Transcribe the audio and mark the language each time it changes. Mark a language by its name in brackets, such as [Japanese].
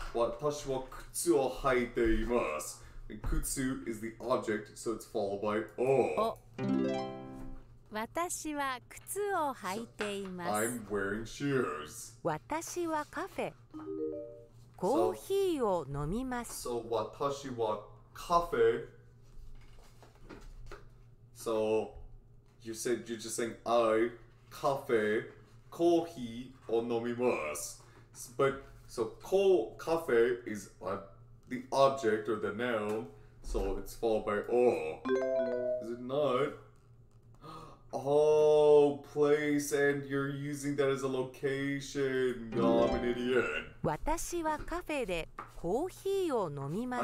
[Japanese] 私は靴を履いています。 [English] And 靴 is the object, so it's followed by O. [Japanese] お私は靴を履いています。 [English] So, I'm wearing shoes. [Japanese] 私はカフェ。コーヒーを飲みます。 So, 私はカフェ。 [English] So, you're just saying, I, [Japanese] カフェ、コーヒーを飲みます。 [English] But, so, カフェ is the object or the noun. So, it's followed by O. Is it not? Oh, place, and you're using that as a location. No, I'm an idiot. [Japanese] 私はカフェでコーヒーを飲みます。